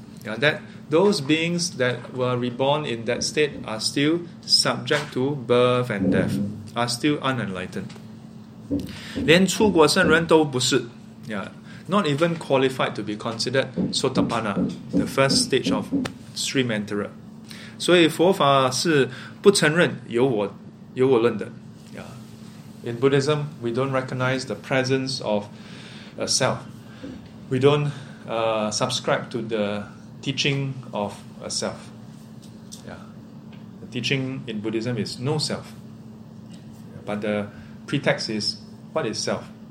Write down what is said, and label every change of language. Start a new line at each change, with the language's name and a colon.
English: Yeah, that those beings that were reborn in that state are still subject to birth and death, are still unenlightened.
Chinese: 连出国圣人都不是.
English: Yeah, not even qualified to be considered Sotapanna, the first stage of stream enterer.
Chinese: 所以佛法是不承认有我论的.
English: Yeah. In Buddhism, we don't recognize the presence of a self. We don't subscribe to the teaching of a self. Yeah. The teaching in Buddhism is no self. But the pretext is, what is self?